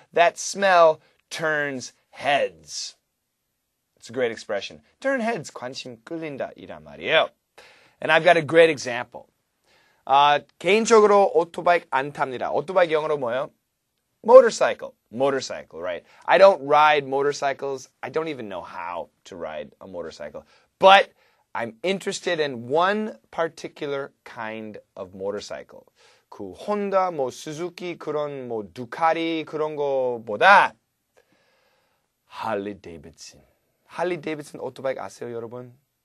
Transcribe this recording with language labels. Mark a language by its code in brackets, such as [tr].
[en] That smell turns heads. It's a great expression. Turn heads, [ko] 관심 끌린다 이란 말이에요. [en] And I've got a great example. [ko] 개인적으로 오토바이 안 탑니다. 오토바이 영어로 뭐예요? [en] Motorcycle. Motorcycle, right? I don't ride motorcycles. I don't even know how to ride a motorcycle. But I'm interested in one particular kind of motorcycle. [ko] 그 혼다, 뭐 수즈키, 그런 뭐 두카리 그런 거보다 할리 데이비슨. 할리 데이비슨 오토바이 아세요, 여러분?